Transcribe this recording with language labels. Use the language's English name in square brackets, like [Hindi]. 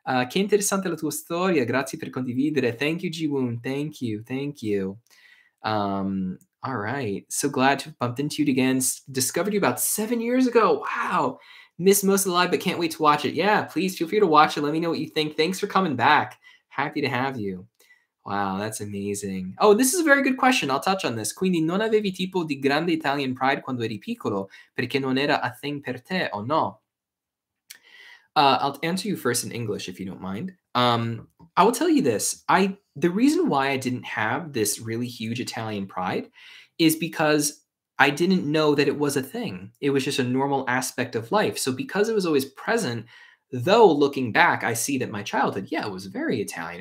[Italian] Che interessante la tua storia, grazie per condividere. [English] Thank you, Jiwoon. Thank you, thank you. All right, so glad to have bumped into you again. Discovered you about 7 years ago. Wow, missed most of the live, but can't wait to watch it. Yeah, please feel free to watch it. Let me know what you think. Thanks for coming back. Happy to have you. Wow, that's amazing. Oh, this is a very good question. I'll touch on this. [Italian] Quindi non avevi tipo di grande Italian pride quando eri piccolo perché non era [English] a thing [Italian] per te o no? [English] I'll answer you first in English, if you don't mind. I will tell you this. The reason why I didn't have this really huge Italian pride is because I didn't know that it was a thing. It was just a normal aspect of life. So because it was always present, though looking back, I see that my childhood, yeah, it was very Italian.